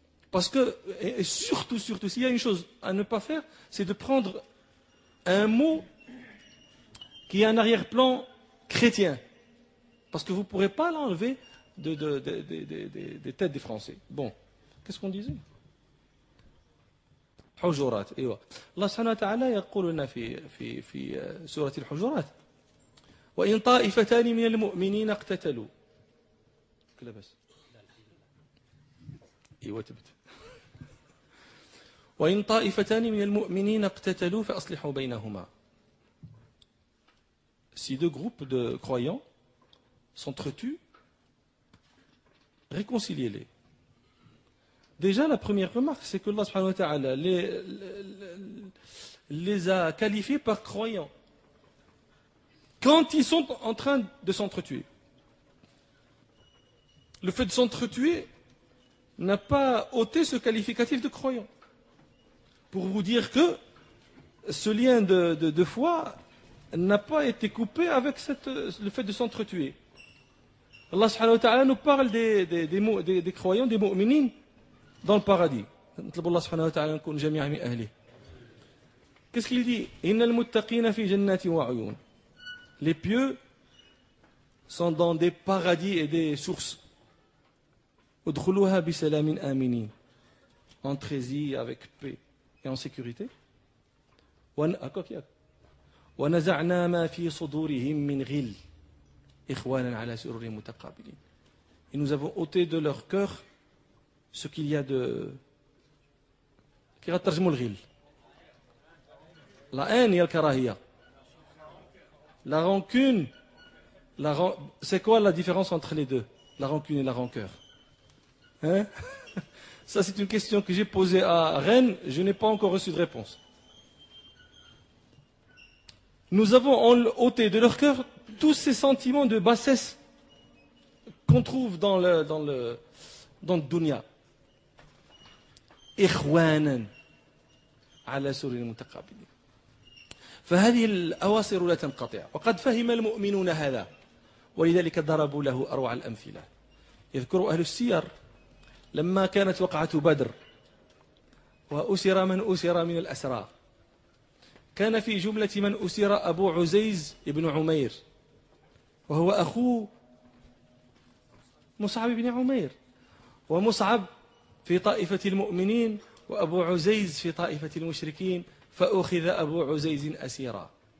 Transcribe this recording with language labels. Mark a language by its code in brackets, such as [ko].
[fr] Parce que, et surtout, s'il y a une chose à ne pas faire, c'est de prendre un mot qui a un arrière-plan chrétien. Parce que vous ne pourrez pas l'enlever des têtes des Français. Bon, qu'est-ce qu'on disait ? [ar] حجرات ايوه الله سبحانه وتعالى يقول لنا في سورة الحجرات وإن طائفتان من المؤمنين اقتتلوا كلا بس ايوه تبت وإن طائفتان من المؤمنين اقتتلوا فأصلحوا بينهما. [fr] Si deux groupes de croyants s'entretuent, réconciliez-les. Déjà, la première remarque, c'est que Allah subhanahu wa ta'ala les a qualifiés par croyants quand ils sont en train de s'entretuer. Le fait de s'entretuer n'a pas ôté ce qualificatif de croyant. Pour vous dire que ce lien de foi n'a pas été coupé avec le fait de s'entretuer. Allah subhanahu wa ta'ala nous parle des croyants, des mu'minines, dans le paradis. [ar] نطلب الله سبحانه وتعالى نكون جميعا من اهله. [fr] Qu'est-ce qu'il dit? [ar] إن المتقين في جنات وعيون. [fr] Les pieux sont dans des paradis et des sources. [ar] ادخلوها بسلام آمنين. [fr] Entrez-y avec paix et en sécurité. [ar] ونزعنا ما في صدورهم من غل إخوانا على سرر متقابلين. [fr] Et nous avons ôté de leur cœur ce qu'il y a de... La haine et le karahia. La rancune. C'est quoi la différence entre les deux? La rancune et la rancœur. Hein? Ça, c'est une question que j'ai posée à Rennes. Je n'ai pas encore reçu de réponse. Nous avons ôté de leur cœur tous ces sentiments de bassesse qu'on trouve dans le dunya. [ar] إخوانا على سر المتقابلين فهذه الأواصر لا تنقطع وقد فهم المؤمنون هذا ولذلك ضربوا له أروع الأمثلة. يذكر أهل السير لما كانت وقعة بدر وأسر من أسر من الأسرى كان في جملة من أسر أبو عزيز بن عمير وهو أخو مصعب بن عمير ومصعب في طائفة المؤمنين وأبو عزيز في طائفة المشركين فأخذ أبو عزيز أسيرا.